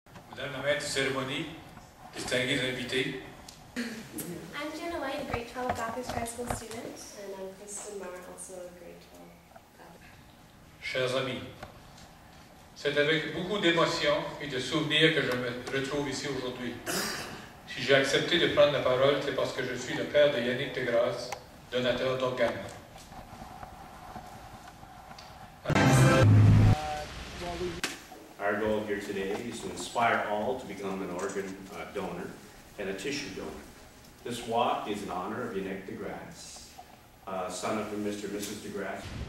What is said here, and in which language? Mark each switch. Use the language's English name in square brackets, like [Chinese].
[French] Madame la maître de cérémonie, distingués invités. [English] I'm JANA White, a grade 12 Bathurst High School student, and I'm KIRSTIN, also a grade 12. [French] Chers amis, c'est avec beaucoup d'émotion et de souvenirs que je me retrouve ici aujourd'hui. Si j'ai accepté de prendre la parole, c'est parce que je suis le père de Yannick Degrasse, donateur d'organes. [English] Our goal here today is to inspire all to become an organ donor and a tissue donor. This walk is in honor of Yannick Degrasse, son of Mr. and Mrs. Degrasse.